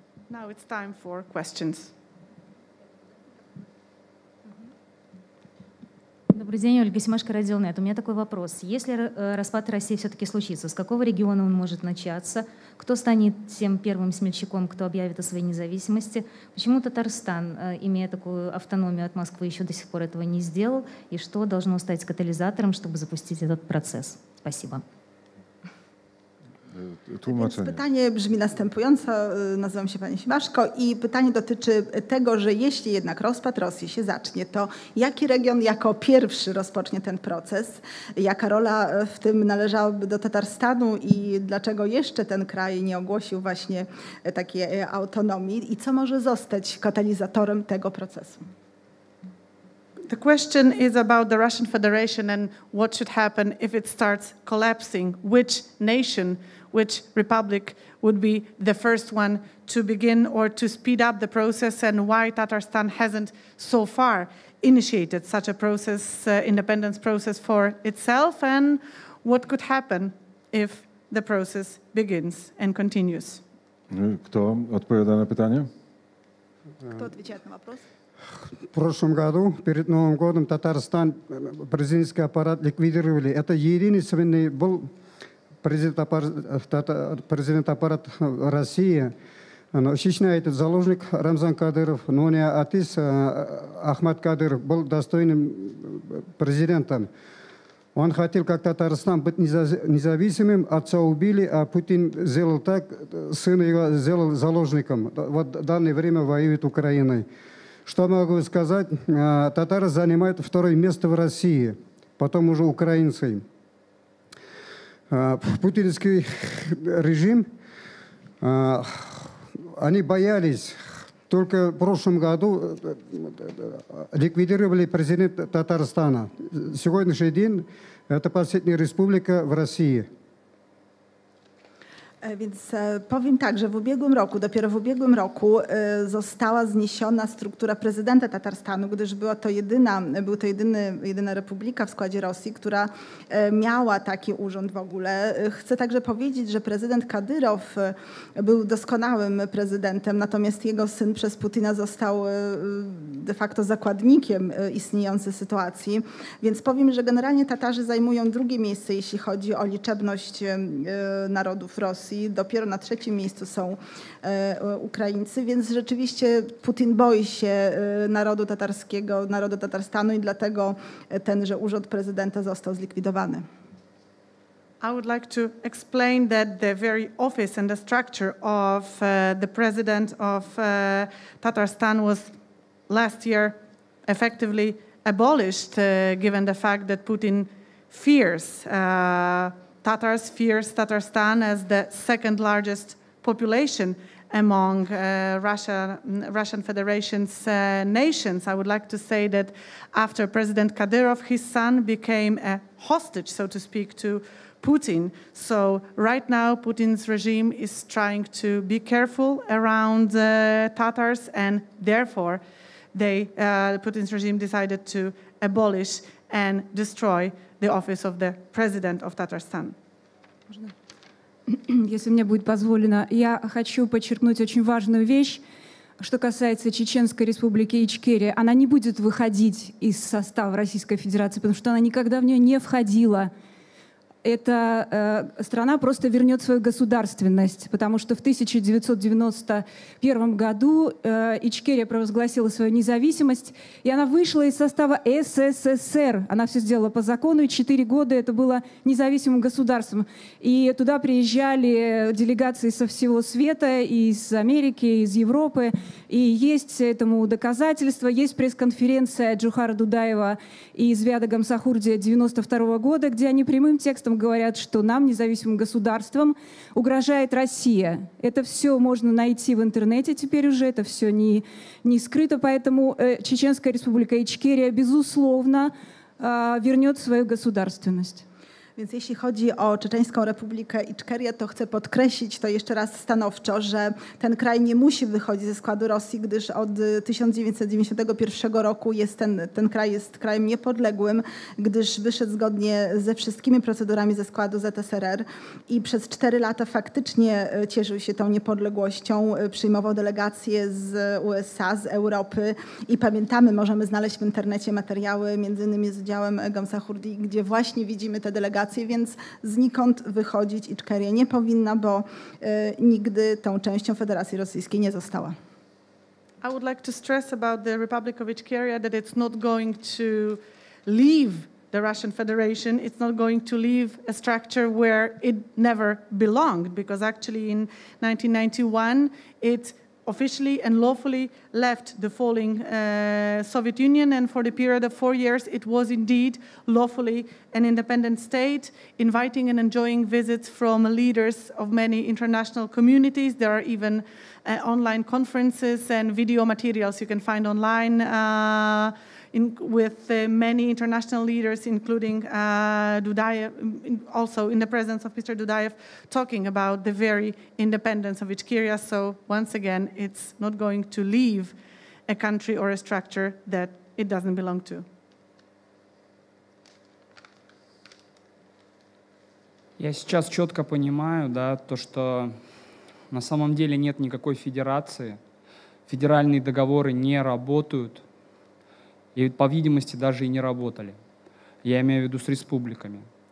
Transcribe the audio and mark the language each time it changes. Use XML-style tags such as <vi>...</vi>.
<en>Now it's time for questions.</en> <ru>Добрый день, Ольга Семашко, Радионет. У меня такой вопрос. Если распад России все-таки случится, с какого региона он может начаться? Кто станет тем первым смельчаком, кто объявит о своей независимости? Почему Татарстан, имея такую автономию от Москвы, еще до сих пор этого не сделал? И что должно стать катализатором, чтобы запустить этот процесс? Спасибо.</ru> <pl>Tłumaczenie. Pytanie brzmi następująco. Nazywam się pani Siemaszko i pytanie dotyczy tego, że jeśli jednak rozpad Rosji się zacznie, to jaki region jako pierwszy rozpocznie ten proces? Jaka rola w tym należałaby do Tatarstanu i dlaczego jeszcze ten kraj nie ogłosił właśnie takiej autonomii? I co może zostać katalizatorem tego procesu?</pl> <en>The question is about the Russian Federation and what should happen if it starts collapsing. Which nation, which republic would be the first one to begin or to speed up the process, and why Tatarstan hasn't so far initiated such a process, independence process for itself, and what could happen if the process begins and continues.</en> <pl>Kto odpowiada na pytanie? Kto odpowiada na</pl> <ru>вопрос? В прошлом году, перед Новым годом, Татарстан, президентский аппарат ликвидировали. Это единственный был президент аппарат России. Чечня, этот заложник Рамзан Кадыров, Нуния Атис, Ахмат Кадыров, был достойным президентом. Он хотел, как Татарстан, быть независимым. Отца убили, а Путин сделал так, сына его сделал заложником. Вот в данное время воюет Украиной. Что могу сказать? Татары занимают второе место в России, потом уже украинцы. Путинский режим, они боялись, только в прошлом году ликвидировали президента Татарстана. Сегодняшний день – это последняя республика в России.</ru> <pl>Więc powiem tak, że dopiero w ubiegłym roku została zniesiona struktura prezydenta Tatarstanu, gdyż była to jedyna republika w składzie Rosji, która miała taki urząd w ogóle. Chcę także powiedzieć, że prezydent Kadyrow był doskonałym prezydentem, natomiast jego syn przez Putina został de facto zakładnikiem istniejącej sytuacji. Więc powiem, że generalnie Tatarzy zajmują drugie miejsce, jeśli chodzi o liczebność narodów Rosji. I dopiero na trzecim miejscu są Ukraińcy, więc rzeczywiście Putin boi się narodu tatarskiego, narodu Tatarstanu i dlatego tenże urząd prezydenta został zlikwidowany.</pl> <en>I would like to explain that the very office and the structure of the president of Tatarstan was last year effectively abolished, given the fact that Putin fears Tatars, fears Tatarstan as the second largest population among Russian Federation's nations. I would like to say that after President Kadyrov, his son became a hostage, so to speak, to Putin. So right now, Putin's regime is trying to be careful around Tatars, and therefore, Putin's regime decided to abolish and destroy the office of the president of Tatarstan.</en> <ru>Если мне будет позволено, я хочу подчеркнуть очень важную вещь, что касается Чеченской республики Ичкерия. Она не будет выходить из состава Российской Федерации, потому что она никогда в нее не входила. эта страна просто вернет свою государственность, потому что в 1991 году Ичкерия провозгласила свою независимость, и она вышла из состава СССР. Она все сделала по закону, и 4 года это было независимым государством. И туда приезжали делегации со всего света, из Америки, из Европы, и есть этому доказательства. Есть пресс-конференция Джухара Дудаева и Звиада Гамсахурдия 1992 года, где они прямым текстом говорят, что нам, независимым государствам, угрожает Россия. Это все можно найти в интернете теперь уже, это все не скрыто, поэтому Чеченская республика Ичкерия, безусловно, вернет свою государственность.</ru> <pl>Więc jeśli chodzi o Czeczeńską Republikę Iczkerię, to chcę podkreślić to jeszcze raz stanowczo, że ten kraj nie musi wychodzić ze składu Rosji, gdyż od 1991 roku jest ten kraj jest krajem niepodległym, gdyż wyszedł zgodnie ze wszystkimi procedurami ze składu ZSRR i przez 4 lata faktycznie cieszył się tą niepodległością, przyjmował delegacje z USA, z Europy i pamiętamy, możemy znaleźć w internecie materiały, między innymi z udziałem Gamsachurdii, gdzie właśnie widzimy te delegacje, więc znikąd wychodzić Iczkeria nie powinna, bo nigdy tą częścią Federacji Rosyjskiej nie została.</pl> <en>I would like to stress about the Republic of Iczkeria that it's not going to leave the Russian Federation. It's not going to leave a structure where it never belonged, because actually in 1991 it officially and lawfully left the falling Soviet Union, and for the period of 4 years it was indeed lawfully an independent state, inviting and enjoying visits from leaders of many international communities. There are even online conferences and video materials you can find online with many international leaders, including Dudaev, also in the presence of Mr. Dudaev, talking about the very independence of Ichkeria. So once again, it's not going to leave a country or a structure that it doesn't belong to.</en> <ru>Я сейчас четко понимаю, да, то, что на самом деле нет никакой федерации, федеральные договоры не работают. И, по видимости, даже и не работали. Я имею в виду с республиками.</ru>